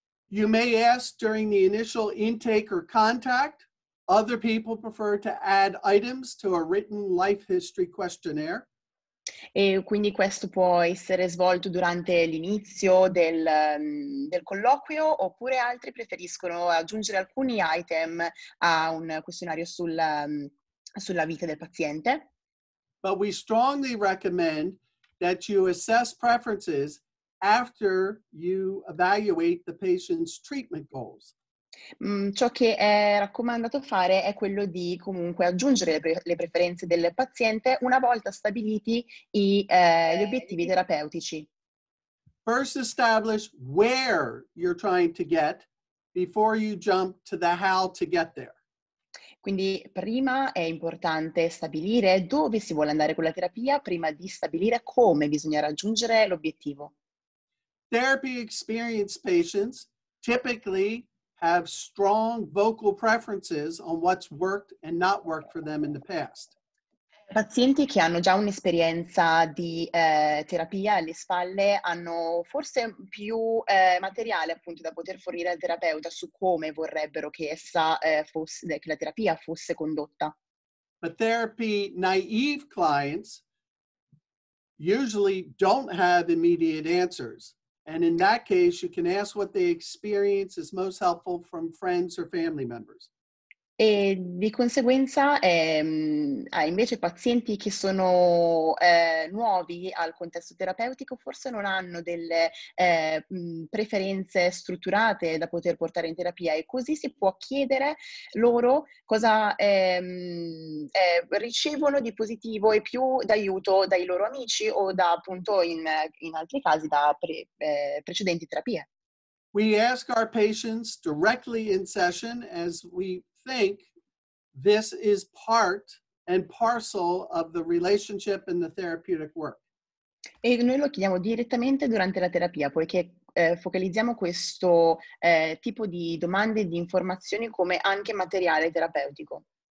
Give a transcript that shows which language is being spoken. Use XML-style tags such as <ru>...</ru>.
<en>You may ask during the initial intake or contact, other people prefer to add items to a written life history questionnaire.</en> <it>E quindi questo può essere svolto durante l'inizio del colloquio, oppure altri preferiscono aggiungere alcuni item a un questionario sulla vita del paziente.</it> <en>But we strongly recommend that you assess preferences after you evaluate the patient's treatment goals.</en> <it>Ciò che è raccomandato fare è quello di comunque aggiungere le preferenze del paziente una volta stabiliti gli obiettivi terapeutici.</it> <en>First establish where you're trying to get before you jump to the how to get there.</en> <it>Quindi prima è importante stabilire dove si vuole andare con la terapia prima di stabilire come bisogna raggiungere l'obiettivo.</it> <en>Therapy experienced patients typically have strong vocal preferences on what's worked and not worked for them in the past.</en> <it>Pazienti che hanno già un'esperienza di terapia alle spalle hanno forse più materiale appunto da poter fornire al terapeuta su come vorrebbero che essa fosse, che la terapia fosse condotta.</it> <en>But therapy naive clients usually don't have immediate answers, and in that case you can ask what they experience is most helpful from friends or family members.</en> <it>E di conseguenza ha invece pazienti che sono nuovi al contesto terapeutico forse non hanno delle preferenze strutturate da poter portare in terapia e così si può chiedere loro cosa ricevono di positivo e più d'aiuto dai loro amici o da appunto in altri casi da precedenti terapie.</it> <en>We ask our patients directly in session as we think this is part and parcel of the relationship and the therapeutic work.</en> <it>E noi lo chiediamo direttamente durante la terapia, poiché focalizziamo questo tipo di domande e di informazioni come anche materiale terapeutico.</it>